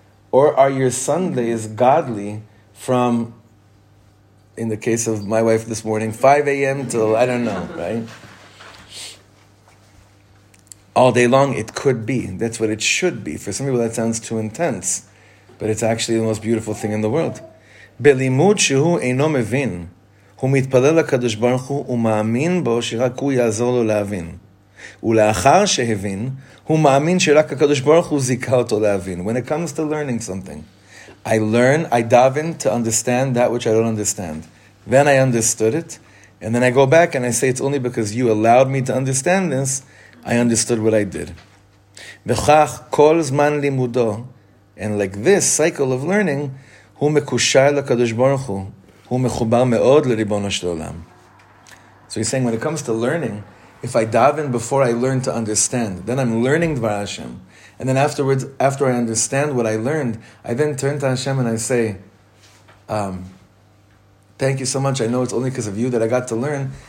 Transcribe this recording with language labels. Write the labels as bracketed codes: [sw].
[en] Or are your Sundays godly from, in the case of my wife this morning, 5 a.m. till, I don't know, right? All day long, it could be. That's what it should be. For some people, that sounds too intense. But it's actually the most beautiful thing in the world. [he] בלימוד שהוא אינו מבין, הוא מתפלל לקדוש ברוך הוא ומאמין בו שרק הוא יעזור לו להבין. ולאחר שהבין, הוא מאמין שרק הקדוש ברוך הוא זיכה אותו להבין. [en] When it comes to learning something, I learn, I daven to understand that which I don't understand. Then I understood it, and then I go back and I say, it's only because you allowed me to understand this, I understood what I did. [he] וכך כל זמן לימודו, [en] and like this cycle of learning, [he] הוא מקושר לקדוש ברוך הוא, הוא מחובר מאוד לריבונו של עולם. [en] So he's saying, when it comes to learning, if I daven before I learn to understand, then I'm learning Dvar Hashem. And then afterwards, after I understand what I learned, I then turn to Hashem and I say, thank you so much, I know it's only because of you that I got to learn.